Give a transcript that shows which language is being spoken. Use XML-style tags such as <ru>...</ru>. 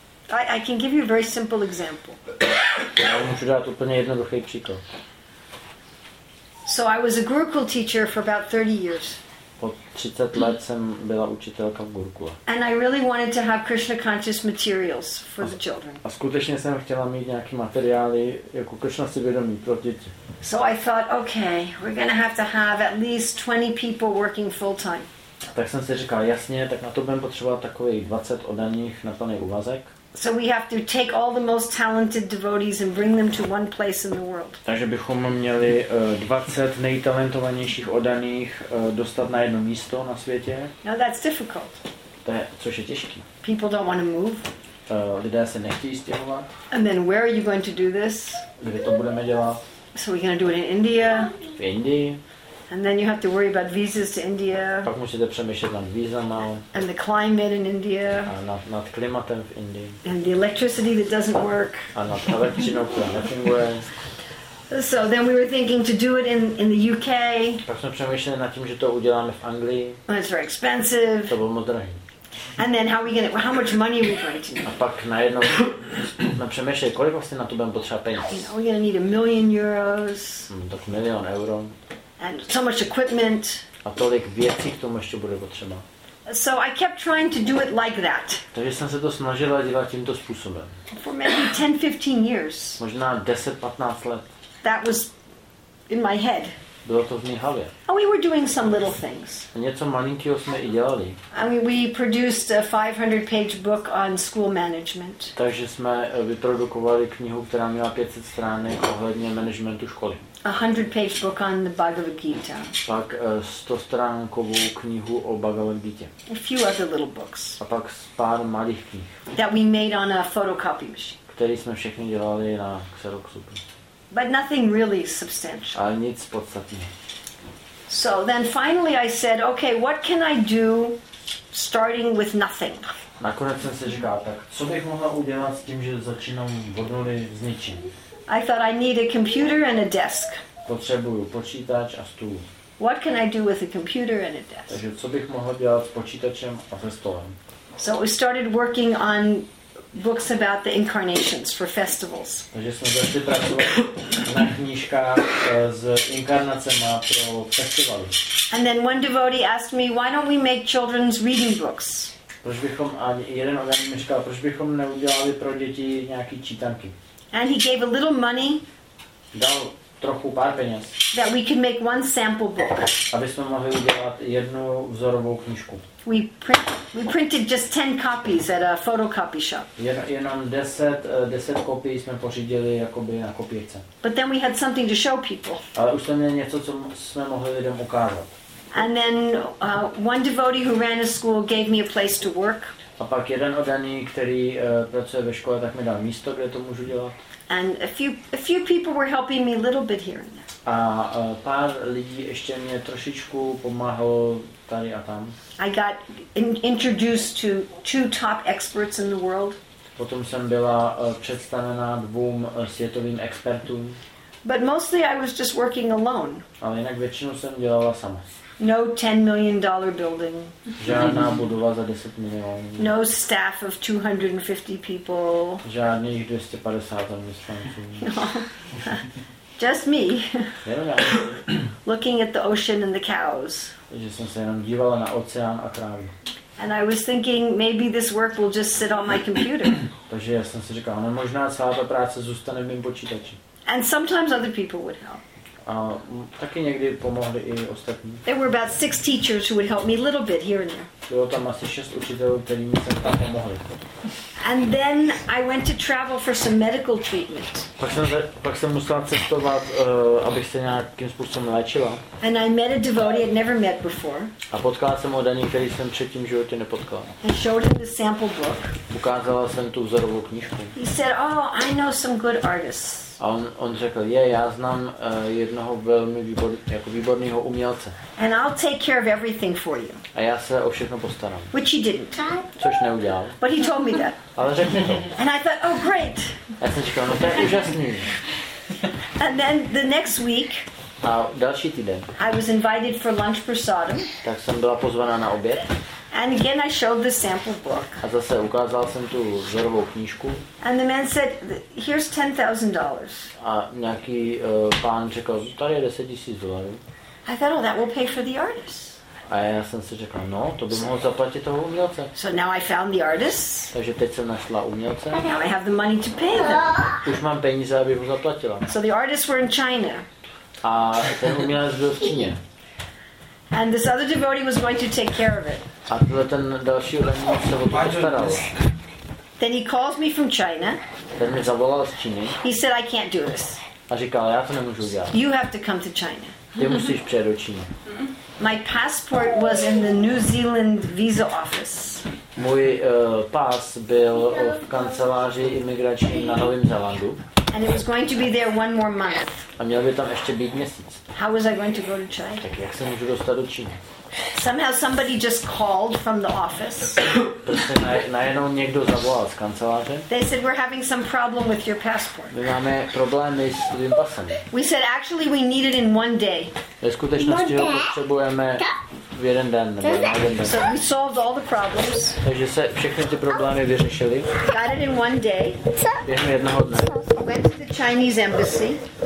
<en>I can give you a very simple example.</en> <cs>Já můžu dát úplně jednoduchý příklad.</cs> <en>So I was a Gurukul teacher for about 30 years.</en> <cs>Po 30 let jsem byla učitelka v Gurukule.</cs> <en>And I really wanted to have Krishna conscious materials for the children.</en> <cs>A skutečně jsem chtěla mít nějaký materiály jako Krishna svědomí pro děti.</cs> <en>So I thought, okay, we're going to have at least 20 people working full time.</en> <cs>Tak jsem si říkal, jasně, tak na to budeme potřebovat takových 20 oddaných na plný úvazek.</cs> <en>So we have to take all the most talented devotees and bring them to one place in the world.</en> <cs>Takže bychom měli 20 nejtalentovanějších oddaných dostat na jedno místo na světě.</cs> <en>No, that's difficult.</en> <cs>To je, což je těžký.</cs> <en>People don't want to move.</en> <cs>Lidé se nechtějí stěhovat.</cs> <en>And then where are you going to do this?</en> <cs>Kde to budeme dělat?</cs> <en>So we're going to do it in India.</en> <cs>V Indii.</cs> <en>And then you have to worry about visas to India.</en> <cs>Pak musíte přemýšlet nad vízama.</cs> <en>And the climate in India.</en> <cs>A nad klimatem v Indii.</cs> <en>And the electricity that doesn't work.</en> <cs>A nad elektřinou, která nefunguje.</cs> <en>So then we were thinking to do it in the UK.</en> <cs>Pak jsme přemýšleli nad tím, že to uděláme v Anglii.</cs> <en>And it's very expensive.</en> <cs>To bylo moc drahé.</cs> <en>And then how are we going to, how much money are we going to need?</en> <cs>A pak najednou jsme přemýšleli, kolik vlastně na to budeme potřebovat peněz.</cs> <en>You know, we're going to need a million euros.</en> <cs>Tak milion euro.</cs> <en>And so much equipment.</en> <cs>A tolik věcí k tomu ještě bude potřeba.</cs> <en>So I kept trying to do it like that.</en> <cs>Takže jsem se to snažila dělat tímto způsobem.</cs> <en>For maybe 10-15 years.</en> <cs>Možná 10-15 let.</cs> <en>That was in my head.</en> <cs>Bylo to v mý hlavě.</cs> <en>And we were doing some little things.</en> <cs>A něco malinkýho jsme i dělali.</cs> <en>I mean, we produced a 500-page book on school management.</en> <cs>Takže jsme vyprodukovali knihu, která měla 500 stránek ohledně managementu školy.</cs> <en>100-page book on the Bhagavad Gita.</en> <cs>Pak 100-stránkovou knihu o Bhagavad Gita.</cs> <en>A few other little books.</en> <cs>A pak pár malých knih.</cs> <en>That we made on a photocopy machine.</en> <cs>Který jsme všechny dělali na Xeroxu.</cs> <en>But nothing really substantial.</en> <cs>Ale nic podstatného.</cs> <en>So then finally I said, okay, what can I do starting with nothing?</en> <cs>Nakonec jsem si říkal, tak co bych mohla udělat s tím, že začínám od nuly s ničím?</cs> <en>I thought I need a computer and a desk.</en> <cs>Potřebuju počítač a stůl.</cs> <en>What can I do with a computer and a desk?</en> <cs>Takže co bych mohla dělat s počítačem a se stolem?</cs> <en>So we started working on books about the incarnations for festivals.</en> <cs>Takže jsme začali pracovat na knížkách s inkarnacemi pro festivaly.</cs> <en>And then one devotee asked me, why don't we make children's reading books?</en> <cs>Proč bychom ani jeden orgán říkal, proč bychom neudělali pro děti nějaký čítanky?</cs> <en>And he gave a little money.</en> <cs>Dal trochu pár peněz.</cs> <en>That we could make one sample book.</en> <cs>Aby jsme mohli udělat jednu vzorovou knížku.</cs> <en>We printed just 10 copies at a photocopy shop.</en> <cs>Jenom 10 kopií jsme pořídili jakoby na kopírce.</cs> <en>But then we had something to show people.</en> <cs>Ale už jsme měli něco, co jsme mohli lidem ukázat.</cs> <en>And then one devotee who ran a school gave me a place to work.</en> <cs>A pak jeden oddaný, který pracuje ve škole, tak mi dal místo, kde to můžu dělat.</cs> <en>And a few people were helping me a little bit here and there.</en> <cs>A pár lidí ještě mě trošičku pomáhalo tady a tam.</cs> <en>I got introduced to two top experts in the world.</en> <cs>Potom jsem byla představena dvoum světovým expertům.</cs> <en>But mostly I was just working alone.</en> <cs>Ale jinak většinou jsem dělala sama.</cs> <en>No $10 million building.</en> <cs>Žádná budova za 10 milionů.</cs> <en>No staff of 250 people.</en> <cs>Žádných 250 zaměstnanců. No.</cs> <en>Just me.</en> <cs>Jenom já.</cs> <en>Looking at the ocean and the cows.</en> <cs>Takže jsem se jenom dívala na oceán a krávy.</cs> <en>And I was thinking maybe this work will just sit on my computer.</en> <cs>Takže já jsem si říkal, no možná celá ta práce zůstane v mým počítači.</cs> <en>And sometimes other people would help.</en> <cs>A taky někdy pomohli i ostatní.</cs> <en>There were about 6 teachers who would help me a little bit here and there.</en> <cs>Bylo tam asi 6 učitelů, kteří mi sem tam pomohli.</cs> <en>And then I went to travel for some medical treatment.</en> <cs>Pak jsem musela cestovat, abych se nějakým způsobem léčila.</cs> <en>And I met a devotee I'd never met before.</en> <cs>A potkala jsem oddaný, který jsem předtím v životě nepotkala.</cs> <en>I showed him the sample book.</en> <cs>Ukázala jsem tu vzorovou knížku.</cs> <en>He said, oh, I know some good artists.</en> <cs>A on řekl, je, já znám jednoho velmi výborného umělce.</cs> <en>And I'll take care of everything for you.</en> <cs>A já se o všechno postaram.</cs> <en>Which he didn't.</en> <cs>Což neudělal.</cs> <en>But he told me that.</en> <cs>Ale řekl mi to.</cs> <en>And I thought, oh great.</en> <cs>A já jsem říkal, no to je úžasný.</cs> <en>And then the next week.</en> <cs>A další týden.</cs> <en>I was invited for lunch for Sodom.</en> <cs>Tak jsem byla pozvaná na oběd.</cs> <en>And again I showed the sample book.</en> <cs>A zase ukázal jsem tu vzorovou knížku.</cs> <en>And the man said, here's $10,000.</en> <cs>A nějaký pán řekl, tady je $10,000.</cs> <en>I thought, oh, that will pay for the artist.</en> <cs>A já jsem si řekl, no, to by mohl zaplatit toho umělce.</cs> <en>So now I found the artist.</en> <cs>Takže teď jsem našla umělce.</cs> <en>And now I have the money to pay them.</en> <cs>Už mám peníze, aby mu zaplatila.</cs> <en>So the artists were in China.</en> <cs>A ten umělec byl v Číně.</cs> <en>And this other devotee was going to take care of it.</en> <cs>A tohle ten další umělec se o to postaral.</cs> <en>Then he calls me from China.</en> <cs>Ten mi zavolal z Číny.</cs> <en>He said, I can't do this.</en> <cs>A říkal, já to nemůžu udělat.</cs> <en>You have to come to China.</en> <cs>Ty musíš přijet do Číny.</cs> <en>My passport was in the New Zealand visa office.</en> <cs>Můj pas byl v kanceláři imigrační na Novém Zélandu.</cs> <en>And it was going to be there one more month.</en> <cs>A měl by tam ještě být měsíc.</cs> <en>How was I going to go to China?</en> <cs>Tak jak se můžu dostat do Číny?</cs> <en>Somehow somebody just called from the office.</en> <cs>Prostě najednou někdo zavolal z kanceláře.</cs> <en>They said we're having some problem with your passport.</en> <cs>My máme problémy s tvým pasem.</cs> <en>We said actually we need it in one day.</en> <cs>Ve skutečnosti ho potřebujeme v jeden den nebo na jeden den.</cs> <en>So we solved all the problems.</en> <cs>Takže se všechny ty problémy vyřešily.</cs> <en>Got it in one day.</en> <cs>Během jednoho dne.</cs> <en>Went to the Chinese embassy.</en>